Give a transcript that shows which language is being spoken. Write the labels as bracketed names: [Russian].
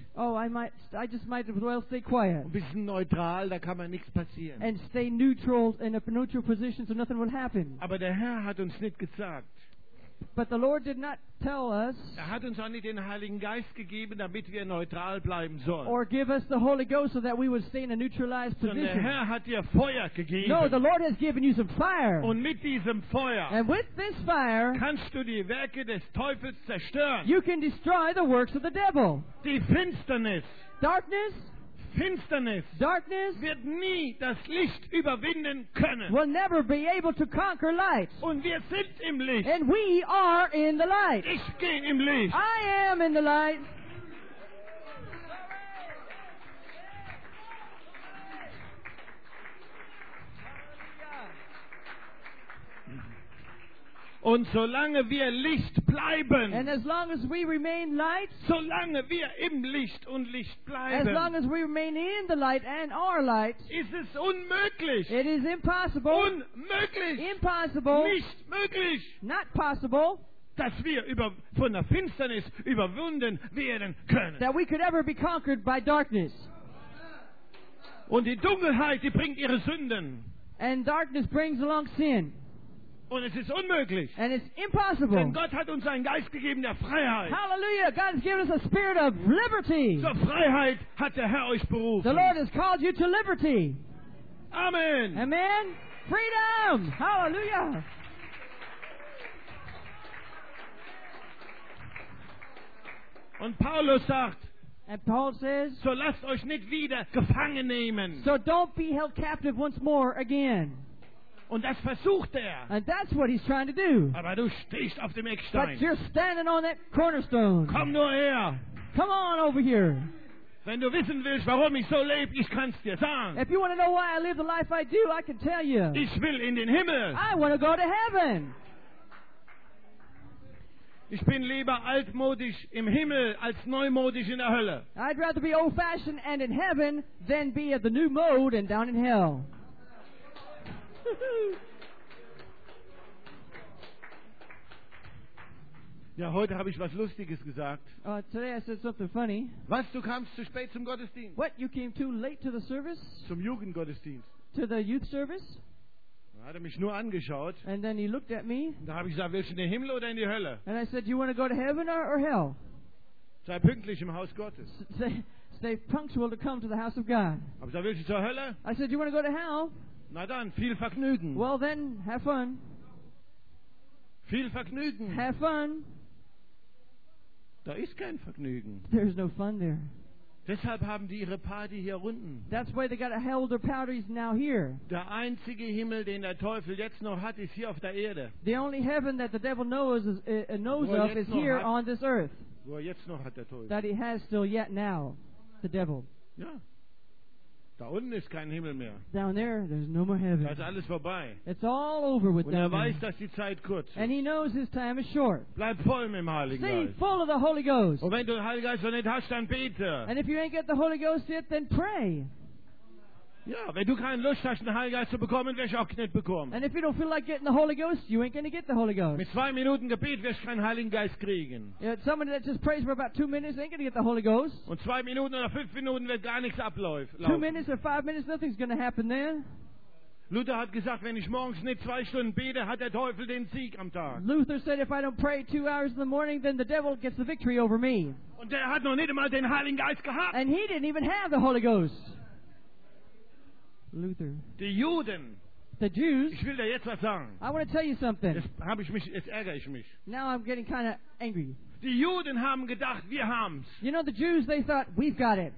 [English] Oh, I just might as well stay quiet. [German] Ein bisschen neutral, da kann mir nichts passieren. [English] And stay neutral in a neutral position so nothing will happen. [German] Aber der Herr hat uns nicht gesagt. [English] But the Lord did not tell us. [German] Er hat uns auch nicht den Heiligen Geist gegeben, damit wir neutral bleiben sollen. [English] Or give us the Holy Ghost so that we would stay in a neutralized position. [German] Sondern der Herr hat dir Feuer gegeben. [English] No, the Lord has given you some fire. [German] Und mit diesem Feuer. [English] And with this fire. [German] Kannst du die Werke des Teufels zerstören. [English] You can destroy the works of the devil. [German] Die Finsternis. [English] Darkness. [German] Finsternis. [English] Darkness [German] wird nie das Licht überwinden können. [English] Will never be able to conquer light. [German] Und wir sind im Licht. [English] And we are in the light. [German] Ich gehe im Licht. [English] I am in the light. [German] Und solange wir Licht bleiben, [English] and as long as we remain light, [German] solange wir im Licht und Licht bleiben, [English] as long as we remain in the light and our light, [German] ist es unmöglich. [English] It is impossible. [German] Unmöglich. [English] Impossible. [German] Nicht möglich. [English] Not possible. [German] Dass wir von der Finsternis überwunden werden können. [English] That we could ever be conquered by darkness. [German] Und die Dunkelheit, die bringt ihre Sünden. [English] And darkness brings along sin. [German] Und es ist unmöglich. [English] And it's impossible. [German] Denn Gott hat uns einen Geist gegeben der Freiheit. [English] Hallelujah. God has given us a spirit of liberty. [German] Zur Freiheit hat der Herr euch berufen. [English] The Lord has called you to liberty. [German] Amen. [English] Amen. Freedom. Hallelujah. [German] Und Paulus sagt, [English] and Paul says, [German] so lasst euch nicht wieder gefangen nehmen. [English] So don't be held captive once more again. [German] Und das versucht er. [English] And that's what he's trying to do. [German] Aber du stehst auf dem Eckstein. [English] But you're standing on that cornerstone. [German] Komm nur her. [English] Come on over here. [German] Wenn du wissen willst, warum ich so lebe, ich kann's dir sagen. [English] If you want to know why I live the life I do, I can tell you. [German] Ich will in den Himmel. [English] I want to go to heaven. [German] Ich bin lieber altmodisch im Himmel als neumodisch in der Hölle. [English] I'd rather be old-fashioned and in heaven than be of the new mode and down in hell. Woohoo! [German] Ja, heute habe ich was Lustiges gesagt. [English] Today I said something funny. [German] Was, du kamst zu spät zum Gottesdienst? [English] What, you came too late to the service? [German] Zum Jugendgottesdienst. [English] To the youth service? [German] Da hat er mich nur angeschaut. [English] And then he looked at me. [German] Da habe ich gesagt, willst du in den Himmel oder in die Hölle? [English] And I said, do you want to go to heaven or hell? [German] Sei pünktlich im Haus Gottes. [English] Stay punctual to come to the house of God. [German] Aber da willst du zur Hölle? [English] I said, do you want to go to hell? [German] Na dann, viel Vergnügen. [English] Well then, have fun. [German] Viel Vergnügen. [English] Have fun. [German] Da ist kein Vergnügen. [English] There's no fun there. [German] Deshalb haben die ihre Party hier unten. [English] That's why they got to hold their parties now here. [German] Der einzige Himmel, den der Teufel jetzt noch hat, ist hier auf der Erde. [English] The only heaven that the devil knows of is here on this earth. [German] Wo er jetzt noch hat, der Teufel. [English] That he has still yet now, the devil. [German] Ja. Da unten ist kein Himmel mehr. [English] Down there, there's no more heaven. [German] Da ist alles vorbei. [English] It's all over with [German] them. Und er weiß, dass die Zeit kurz ist. [English] And he knows his time is short. [German] Bleib voll mit dem Heiligen Geist. [English] Stay full of the Holy Ghost. [German] Und wenn du den Heiligen Geist noch nicht hast, dann bete. [English] And if you ain't got the Holy Ghost yet, then pray. [German] Ja, wenn du keine Lust hast, den Heiligen Geist zu bekommen, wirst du auch nicht bekommen. [English] And if you don't feel like getting the Holy Ghost, you ain't gonna get the Holy Ghost. [German] Mit 2 Minuten Gebet wirst du keinen Heiligen Geist kriegen. [English] Yeah, somebody that just prays for about 2 minutes ain't gonna get the Holy Ghost. [German] Und 2 Minuten oder 5 Minuten wird gar nichts ablaufen. [English] 2 minutes or 5 minutes, nothing's gonna happen there. [German] Luther hat gesagt, wenn ich morgens nicht 2 Stunden bete, hat der Teufel den Sieg am Tag. [English] Luther said, if I don't pray 2 hours in the morning, then the devil gets the victory over me. [German] Und der hat noch nicht einmal den Heiligen Geist gehabt. [English] And he didn't even have the Holy Ghost. [German] Luther. Die Juden. [English] The Jews. [German] Ich will dir jetzt was sagen. [English] I want to tell you something. [German] Jetzt ärgere ich mich. [English] Now I'm getting kind of angry. [German] Die Juden haben gedacht, wir haben's. [English] You know, the Jews, they thought, we've got it.